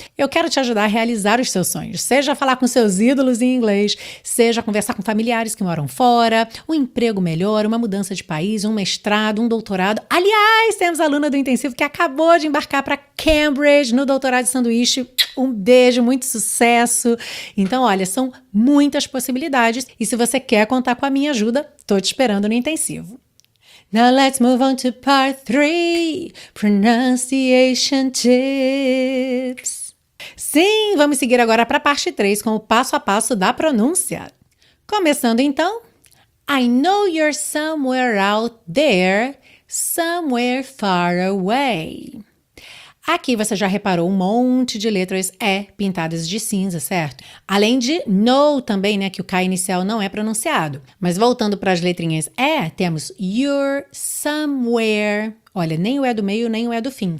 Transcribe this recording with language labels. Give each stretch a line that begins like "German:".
Portuguese: Eu quero te ajudar a realizar os seus sonhos, seja falar com seus ídolos em inglês, seja conversar com familiares que moram fora, um emprego melhor, uma mudança de país, um mestrado, um doutorado. Aliás, temos aluna do intensivo que acabou de embarcar para Cambridge no doutorado de sanduíche. Um beijo, muito sucesso. Então, olha, são muitas possibilidades e se você quer contar com a minha ajuda, tô te esperando no intensivo.
English: Now let's move on to part 3, pronunciation tips.
Portuguese: Sim, vamos seguir agora para a parte 3 com o passo a passo da pronúncia. Começando então,
English: I know you're somewhere out there, somewhere far away.
Portuguese: Aqui você já reparou um monte de letras E pintadas de cinza, certo? Além de no também, né, que o K inicial não é pronunciado. Mas voltando para as letrinhas E, temos
English: you're somewhere.
Portuguese: Olha, nem o E do meio, nem o E do fim.